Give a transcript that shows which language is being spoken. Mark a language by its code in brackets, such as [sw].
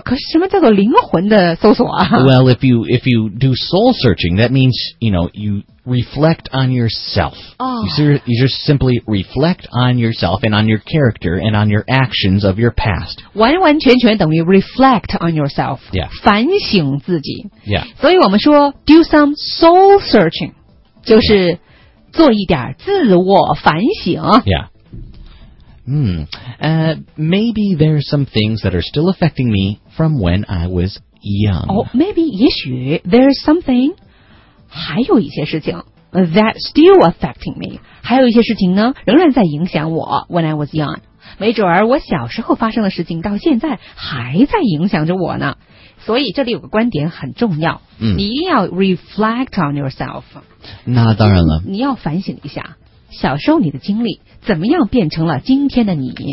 [zh] 可是什么叫做灵魂的搜索啊 [en] Well, if you do soul searching, that means, you know, you reflect on yourself.、 Oh. You just simply reflect on yourself and on your character and on your actions of your past. [zh] 完完全全等于 [en] reflect on yourself. Yeah. [zh] 反省自己。 [en] Yeah. [zh] 所以我们说 [en] do some soul searching, [zh] 就是、 [en] yeah. [zh] 做一点自我反省。 [en] Yeah. Maybe there are some things that are still affecting me from when I was young. Oh, maybe, [zh] 也许 [en] there is something, [zh] 还有一些事情 [en] that still affecting me. [zh] 还有一些事情呢仍然在影响我 [en] when I was young. [zh] 没准儿我小时候发生的事情到现在还在影响着我呢。所以这里有个观点很重要、嗯、你一定要 [en] reflect on yourself. [zh] 那当然了。你要反省一下。小时候你的经历怎么样变成了今天的你